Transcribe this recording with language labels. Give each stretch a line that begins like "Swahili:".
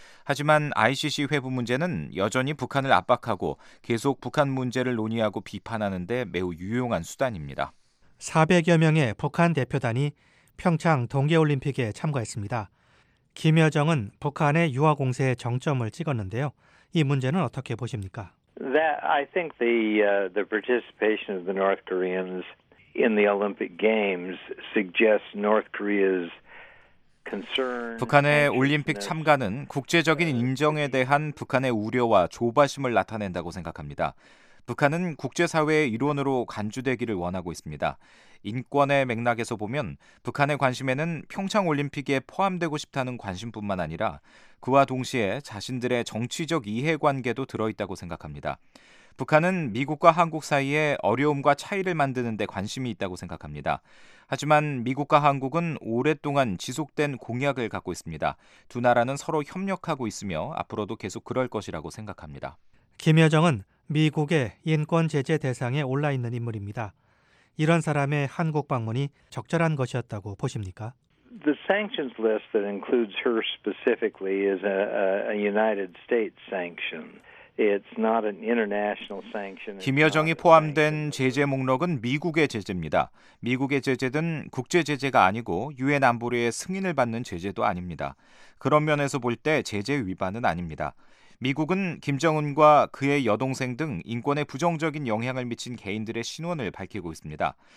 Korean: 하지만 ICC 회부 문제는 여전히 북한을 압박하고 계속 북한 문제를 논의하고 비판하는 데 매우 유용한 수단입니다. 400여 명의 북한 대표단이 평창 동계올림픽에 참가했습니다. 김여정은 북한의 유화 공세에 정점을 찍었는데요. 이 문제는 어떻게 보십니까?
English: I think the participation of the North Koreans in the Olympic Games suggests North Korea's
Korean: 북한의 올림픽 참가는 국제적인 인정에 대한 북한의 우려와 조바심을 나타낸다고 생각합니다. 북한은 국제사회의 일원으로 간주되기를 원하고 있습니다. 인권의 맥락에서 보면 북한의 관심에는 평창올림픽에 포함되고 싶다는 관심뿐만 아니라 그와 동시에 자신들의 정치적 이해관계도 들어있다고 생각합니다. 북한은 미국과 한국 사이에 어려움과 차이를 만드는 데 관심이 있다고 생각합니다. 하지만 미국과 한국은 오랫동안 지속된 공약을 갖고 있습니다. 두 나라는 서로 협력하고 있으며 앞으로도 계속 그럴 것이라고 생각합니다. 김여정은 미국의 인권 제재 대상에 올라있는 인물입니다. 이런 사람의 한국 방문이 적절한 것이었다고 보십니까?
English: The sanctions list that includes her specifically is a United States sanction. It's not an international sanction.
Korean: 김여정이 포함된 제재 목록은 미국의 제재입니다. 미국의 제재든 국제 제재가 아니고 유엔 안보리의 승인을 받는 제재도 아닙니다. 그런 면에서 볼 때 제재 위반은 아닙니다. 미국은 김정은과 그의 여동생 등 인권에 부정적인 영향을 미친 개인들의 신원을 밝히고 있습니다.